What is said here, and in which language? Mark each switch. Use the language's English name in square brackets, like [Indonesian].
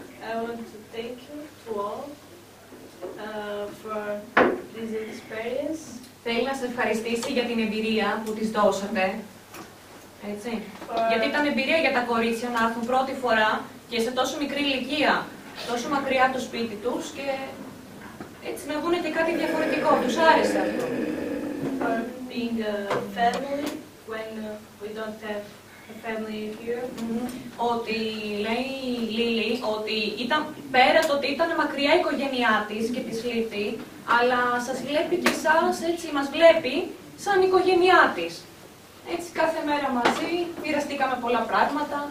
[English] I want to thank you to all for this experience. [Greek] Θέλω να σε ευχαριστήσει για την εμπειρία που της δώσατε. Έτσι. Γιατί ήταν εμπειρία για τα κορίτσια να έρθουν πρώτη φορά και σε τόσο μικρή ηλικία, τόσο μακριά το σπίτι τους και έτσι να δούνε και κάτι διαφορετικό. Τους άρεσε αυτό. [English] For being a family when we don't have a family here. Mm-hmm. [Greek] Ότι λέει η Λίλη ότι ήταν πέρα το ότι ήταν μακριά η οικογένειά της και της Λίλη, αλλά σας βλέπει και εσάς, έτσι μας βλέπει, σαν οικογένειά της. Έτσι κάθε μέρα μαζί μοιραστήκαμε πολλά πράγματα.